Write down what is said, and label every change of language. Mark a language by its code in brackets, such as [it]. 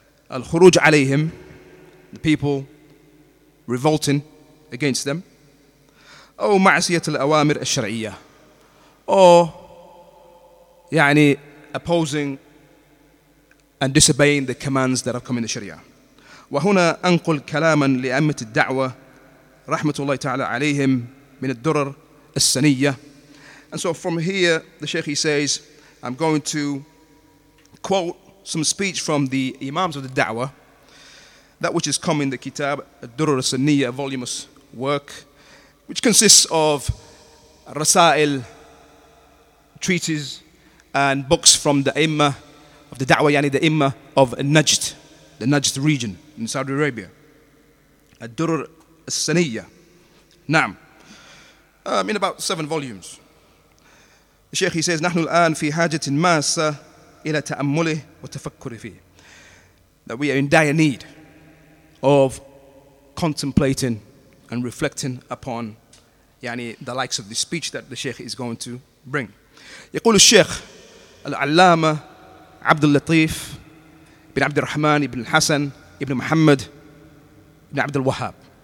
[ar] Al-Khuruj alayhim, [en] the people revolting against them. [ar] Aw ma'asiyat al-awamir al-shar'iyya. [en] Or opposing and disobeying the commands that have come in the Sharia. [ar] وهنا أنقل كلاما لأمة الدعوة رحمة الله تعالى عليهم من الدرر السنية. [en] And so from here, the Sheikh, he says, I'm going to quote some speech from the Imams of the Da'wah, that which is come in the Kitab, الدرر السنية, a voluminous work, which consists of Rasail, treatises, and books from the Imma of the Da'wah, the Imma of Najd, the Najd region in Saudi Arabia. الدرر السنية. نعم. In about 7 volumes. The Sheikh, he says, [ar] نحن الآن في حاجة ماسة إلى تأمله وتفكره فيه. [en] That we are in dire need of contemplating and reflecting upon the likes of the speech that the Sheikh is going to bring. [ar] يقول الشيخ العلامة عبد اللطيف بن عبد الرحمن بن الحسن ibn Muhammad ibn Abdul Wahhab.